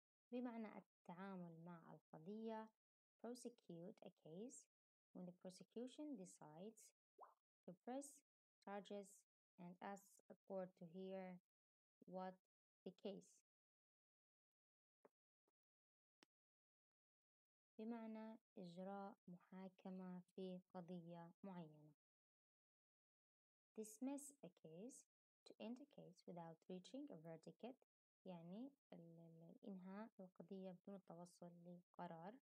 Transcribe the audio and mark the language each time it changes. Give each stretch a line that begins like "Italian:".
Arabic: بمعنى التعامل مع القضية.
English: Prosecute a case when the prosecution decides to press charges and ask a court to hear what the case.
Arabic: بمعنى إجراء محاكمة في قضية معينة.
English: Dismiss a case to end a case without reaching a verdict.
Arabic: يعني إنهاء القضية بدون التوصل لقرار.